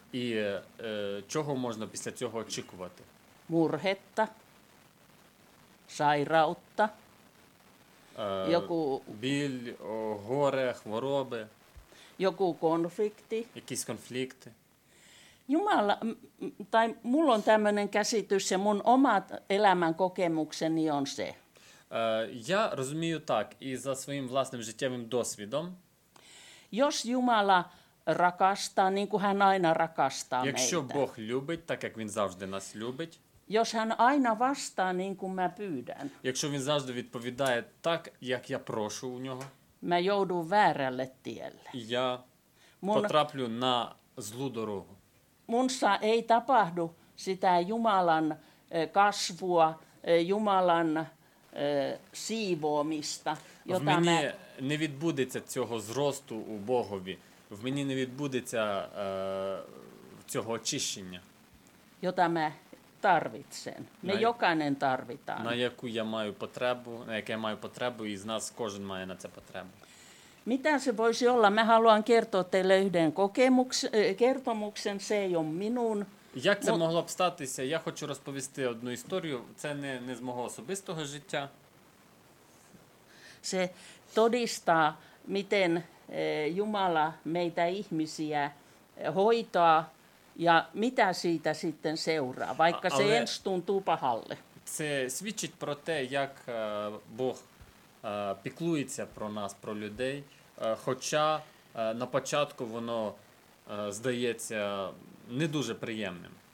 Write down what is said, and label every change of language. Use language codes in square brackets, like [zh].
[uk] І чого можна після цього очікувати? [fi] Murhetta, sairautta, joku [uk] біль, горе, хвороби, [fi] joku konflikti. [uk] Якісь конфлікти. [fi] Jumala, tai mulla on tämmöinen käsitys, ja mun omat elämän kokemukseni on se. [uk] Я розумію так, і за своїм власним життєвим досвідом. [fi] Jos Jumala rakastaa, niin kuin hän aina rakastaa meitä. [uk] Якщо Бог любить, так як він завжди нас любить. [fi] Jos hän aina vastaa niin kuin mä pyydän. [uk] Якщо він завжди відповідає так, як я прошу у нього. [fi] Mä joudun väärälle tielle. [uk] Я потраплю на злу дорогу. [fi] Munsa ei tapahdu sitä Jumalan kasvua, Jumalan siivoamista, jota [uk] мені не відбудеться цього зросту у Богові. В мені не відбудеться цього очищення. [fi] Jota mä tarvitsen. Me jokainen tarvitaan. [uk] На яку я маю потребу, на яке я маю потребу, і з нас кожен має на це потребу. [fi] Mitä se voisi olla? Mä haluan kertoa teille yhden kertomuksen, se ei ole minun. [uk] Як це могло б статися? Я хочу розповісти одну історію. Це не з мого особистого життя. [fi] Se todistaa, miten Jumala meitä ihmisiä hoitaa. Ja mitä siitä sitten seuraa, vaikka se ensi tuntuu pahalle. [uk] Це свідчить про те, як Бог піклується про нас, про людей, хоча на початку воно здається не дуже приємним.